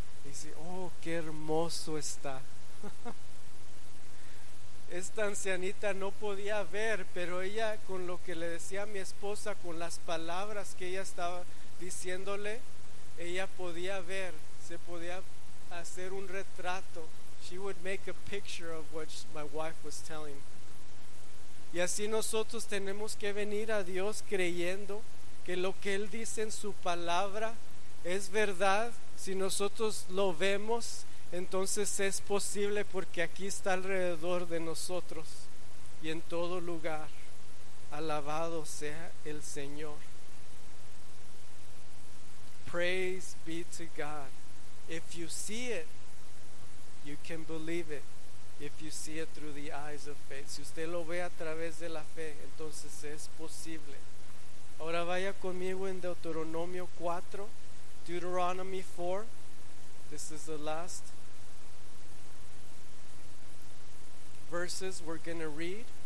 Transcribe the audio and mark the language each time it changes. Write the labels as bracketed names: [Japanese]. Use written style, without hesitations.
[Spanish] Y dice, oh, qué hermoso está. Esta ancianita no podía ver, pero ella, con lo que le decía a mi esposa, con las palabras que ella estaba diciéndole, ella podía ver, se podía hacer un retrato. [English] She would make a picture of what my wife was telling. [Spanish] Y así nosotros tenemos que venir a Dios creyendo que lo que Él dice en su palabra es verdad. Si nosotros lo vemos, entonces es posible porque aquí está alrededor de nosotros y en todo lugar. Alabado sea el Señor. [English] Praise be to God. If you see it, you can believe it. If you see it through the eyes of faith. [Spanish] Si usted lo ve a través de la fe, entonces es posible. Ahora vaya conmigo en Deuteronomio 4. [English] Deuteronomy 4. This is the last verses we're going to read.